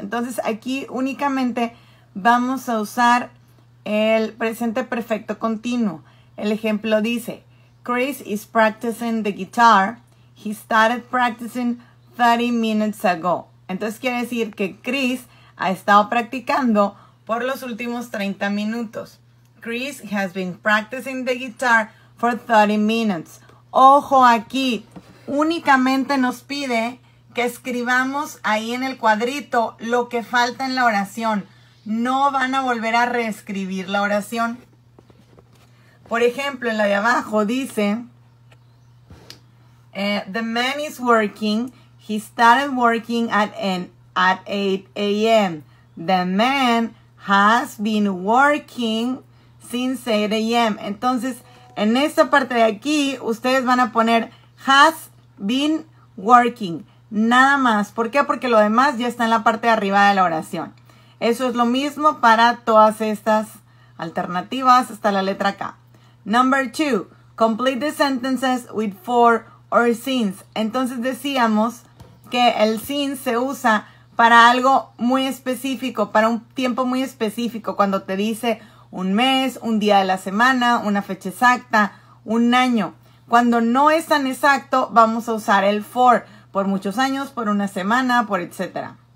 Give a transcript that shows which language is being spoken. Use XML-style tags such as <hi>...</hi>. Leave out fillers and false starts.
<es>Entonces, aquí únicamente vamos a usar el presente perfecto continuo. El ejemplo dice,</es> <en>Chris is practicing the guitar. He started practicing 30 minutes ago.</en> <es>Entonces, quiere decir que Chris ha estado practicando por los últimos 30 minutos.</es> <en>Chris has been practicing the guitar for 30 minutes.</en> <es>Ojo aquí, únicamente nos pide que escribamos ahí en el cuadrito lo que falta en la oración. No van a volver a reescribir la oración. Por ejemplo, en la de abajo dice,</es> <en>the man is working. He started working at 8 a.m. The man has been working since 8 a.m.</en> <es>Entonces, en esta parte de aquí, ustedes van a poner</es> <en>has been working,</en> <es>nada más. ¿Por qué? Porque lo demás ya está en la parte de arriba de la oración. Eso es lo mismo para todas estas alternativas, hasta la letra K.</es> <en>Number two, complete the sentences with for or since.</en> <es>Entonces decíamos que el since se usa para algo muy específico, para un tiempo muy específico, cuando te dice un mes, un día de la semana, una fecha exacta, un año. Cuando no es tan exacto, vamos a usar el for. Por muchos años, por una semana, por etc.</es>